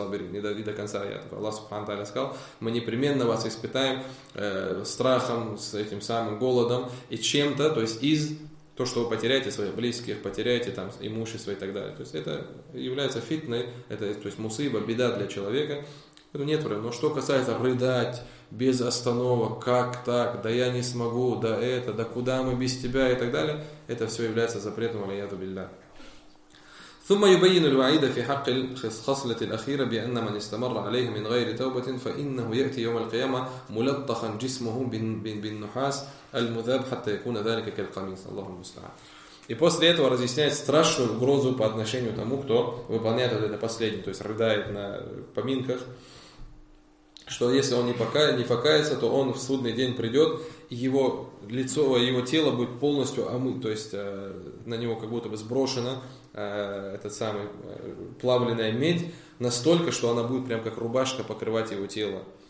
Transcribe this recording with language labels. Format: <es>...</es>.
<ru>Не до конца аят. Аллах Субхану Тааля сказал, мы непременно вас испытаем страхом, с этим самым голодом и чем-то, то есть из то, что вы потеряете своих близких, потеряете там имущество и так далее. То есть это является фитной, это, то есть мусиба, беда для человека. Это нет проблем. Но что касается рыдать без остановок, как так, да я не смогу, да это, да куда мы без тебя и так далее, это все является запретом аляту билля.</ru> <ar>ثم يبين الوعيد في حق الخصلة الأخيرة بأن من استمر عليه من غير توبة فإنه يأتي يوم القيامة ملطخا جسمه بالنحاس المذاب حتى يكون ذلك كالقميص الله المستعان.</ar> <ru>И после этого разъясняет страшную угрозу по отношению к тому, кто выполняет это последнее, то есть рыдает на поминках, что если он не покается, то он в судный день придет, его лицо, его тело будет полностью омыто, то есть на него как будто бы сброшено этот самый плавленая медь настолько, что она будет прям как рубашка покрывать его тело.</ru>